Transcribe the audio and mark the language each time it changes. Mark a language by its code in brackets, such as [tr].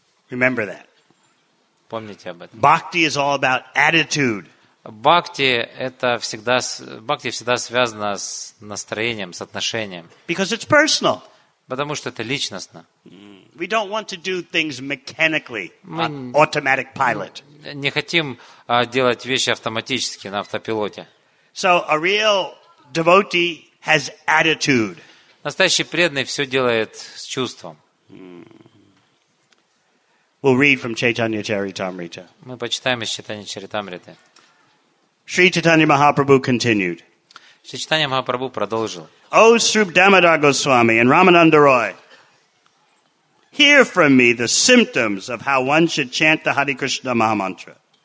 [en] Remember that. [ru] Помните об этом. [en] Bhakti is all about attitude. [ru] Bhakti всегда связана с настроением, с отношением. [en] Because it's personal. [ru] Потому что это личностно. [en] We don't want to do things mechanically, on automatic pilot. [ru] Не хотим делать вещи автоматически, на автопилоте. [en] So a real devotee has attitude. [ru] Настоящий преданный все делает с чувством. [en] We'll read from Chaitanya Charitamrita. [ru] Мы почитаем из Чайтаньи Чаритамриты. [en] Sri Chaitanya Mahaprabhu continued. [ru] Sri Chaitanya Mahaprabhu продолжил. [en] O Srup Damodar Goswami and Ramananda Roy, hear from me the symptoms of how one should chant the Hare Krishna Maha Mantra.